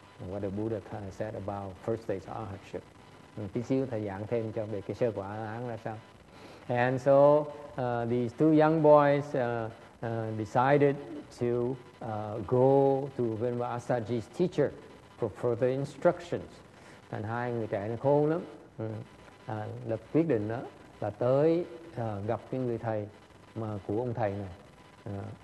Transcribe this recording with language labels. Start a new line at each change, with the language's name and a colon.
English: What the Buddha kind of said about first day's arahatship.
Vietnamese: Tí xíu thầy giảng thêm cho về cái sơ quả la hán là sao.
English: And so these two young boys decided to go to Vinvasaji's teacher for further instructions.
Vietnamese: Thành hai người trẻ nó khôn lắm. Lập quyết định đó là tới gặp cái người thầy mà của ông thầy này.